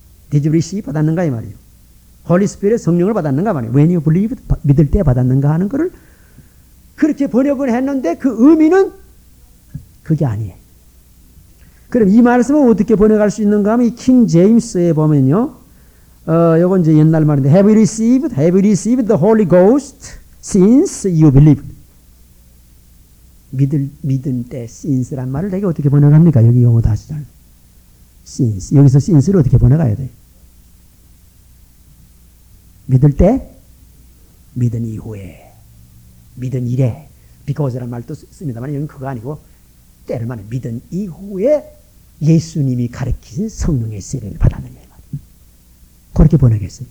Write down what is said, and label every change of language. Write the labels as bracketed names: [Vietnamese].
[English] Did you receive [Korean] 받았는가 이 말이에요. [English] Holy Spirit [Korean] 성령을 받았는가 말이에요. [English] When you believe [Korean] 믿을 때 받았는가 하는 것을 그렇게 번역을 했는데 그 의미는 그게 아니에요. 그럼 이 말씀을 어떻게 번역할 수 있는가 하면 이 킹 제임스에 보면요. 요건 이제 옛날 말인데 [English] Have you received the Holy Ghost since you believed? [Korean] 믿은 때 since란 말을 내가 어떻게 번역합니까? 여기 영어 다시 잘. Since. 여기서 since를 어떻게 번역해야 돼? 믿을 때? 믿은 이후에. 믿은 이래. Because란 말도 씁니다만 여기 그거 아니고 때를 말해. 믿은 이후에 예수님이 가르친 성령의 세례를 받았느냐. 그렇게 번역했어요.